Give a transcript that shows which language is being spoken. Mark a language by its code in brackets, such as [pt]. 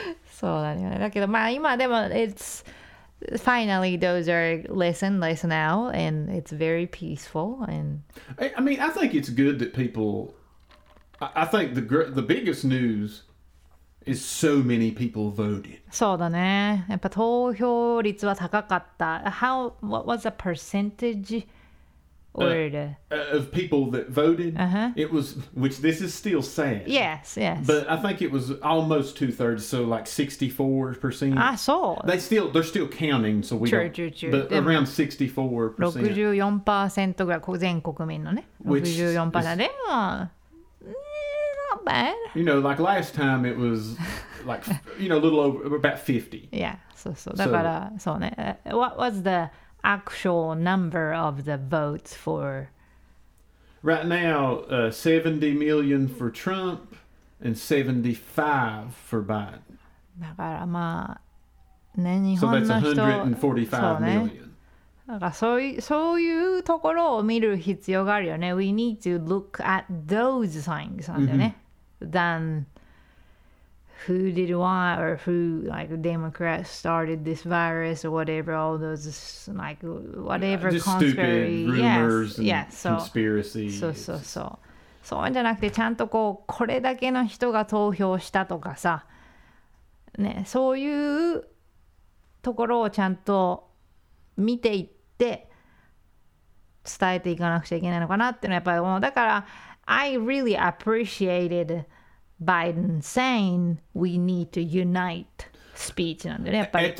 [ja] そうだよね。だけど、まあ今でも [en] it's finally those are less now and it's very peaceful. And... I mean, I think it's good that people... I think the biggest news is so many people voted. [ja] そうだね。やっぱ投票率は高かった。 [en] How, what was the percentage... Of people that voted,、 uh-huh. it was, which this is still sad. Yes, yes. But I think it was almost two thirds, so like 64%. Ah, so. They're still counting, so we true, don't. True, true. But around 64%. [ja] 64% ぐらい全国民のね。64%. [en] でも、not bad. You know, like last time it was like, you know, a little over, about 50. Yeah, so, so. [ja] だから、そうね。 [en] What was the... Actual number of the votes for right now, 70 million for Trump and 75 for Biden. [ja] だからまあ、ね、日本の人、 [en] so that's 145 million. [ja] だからそういうところを見る必要があるよね。 [en] We need to look at those signs [ja] なんだよね。 [en] Than who did what or who like Democrats started this virus or whatever all those like whatever just conspiracy stupid rumors yes, and conspiracy [ja] so, so so so そうじゃなくてちゃんとこうこれだけの人が投票したとかさねそういうところをちゃんと見ていって伝えていかなくちゃいけないのかなっていうのはやっぱりだから [en] I really appreciatedBiden saying we need to unite speech [ja] なんでね、やっぱり。